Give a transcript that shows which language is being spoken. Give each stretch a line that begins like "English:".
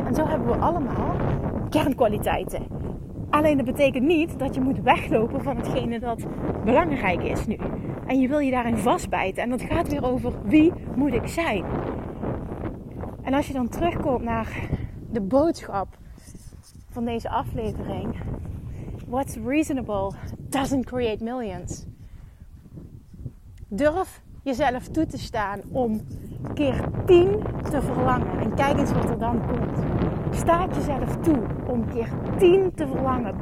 Dutch: En zo hebben we allemaal kernkwaliteiten. Alleen dat betekent niet dat je moet weglopen van hetgene dat belangrijk is nu. En je wil je daarin vastbijten. En dat gaat weer over wie moet ik zijn. En als je dan terugkomt naar de boodschap van deze aflevering.
English: What's reasonable doesn't create millions.
Dutch: Durf jezelf toe te staan om keer 10 te verlangen. En kijk eens wat er dan komt. Sta jezelf toe om keer 10 te verlangen.